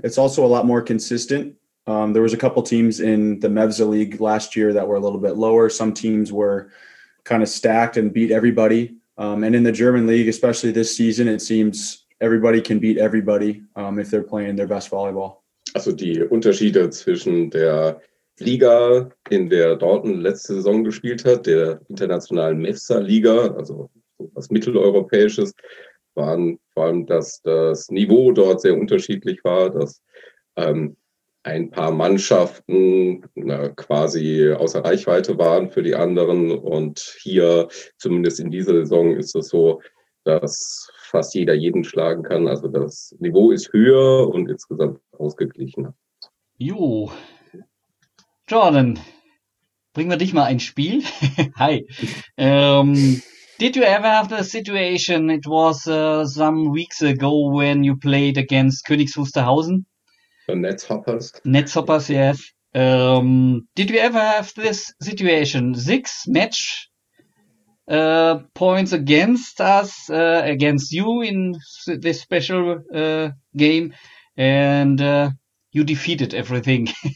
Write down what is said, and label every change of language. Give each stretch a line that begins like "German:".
English: It's also a lot more consistent. There was a couple teams in the Mevza league last year that were a little bit lower. Some teams were kind of stacked and beat everybody. And in the German league, especially this season, it seems everybody can beat everybody if they're playing their best volleyball.
German: Also die Unterschiede zwischen der Liga, in der Dalton letzte Saison gespielt hat, der internationalen Mevza-Liga, also was Mitteleuropäisches, waren vor allem, dass das Niveau dort sehr unterschiedlich war, dass ein paar Mannschaften quasi außer Reichweite waren für die anderen. Und hier, zumindest in dieser Saison, ist es so, dass fast jeder jeden schlagen kann. Also das Niveau ist höher und insgesamt ausgeglichener. Jo. Jordan, bringen wir dich mal ins Spiel. Hi.
English: Did you ever have the situation, it was some weeks ago when you played against Königs Wusterhausen? The Netzhoppers. Netzhoppers, yes. Did you ever have this situation? 6 match points against us, against you in this special game, and you defeated everything.